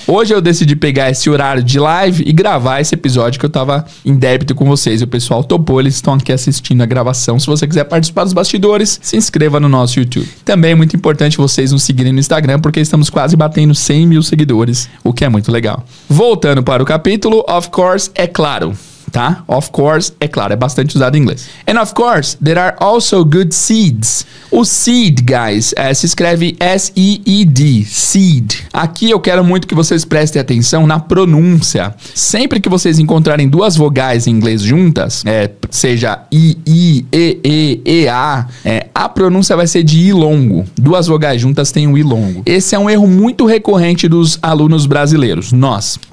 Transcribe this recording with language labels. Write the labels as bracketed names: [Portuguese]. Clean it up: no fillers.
[Portuguese] Hoje eu decidi pegar esse horário de live e gravar esse episódio que eu tava em débito com vocês. E o pessoal topou, eles estão aqui assistindo a gravação. Se você quiser participar dos bastidores, se inscreva no nosso YouTube. Também é muito importante vocês nos seguirem no Instagram, porque estamos quase batendo 100 mil seguidores, o que é muito legal. Voltando para o capítulo, [English] of course, [Portuguese] é claro, tá? [English] Of course, [Portuguese] é claro, é bastante usado em inglês. [English] And of course, there are also good seeds. [Portuguese] O seed, guys, se escreve S-E-E-D, seed. Aqui eu quero muito que vocês prestem atenção na pronúncia. Sempre que vocês encontrarem duas vogais em inglês juntas, seja I-I-E-E-E-A, a pronúncia vai ser de I longo. Duas vogais juntas têm um I longo. Esse é um erro muito recorrente dos alunos brasileiros, nós.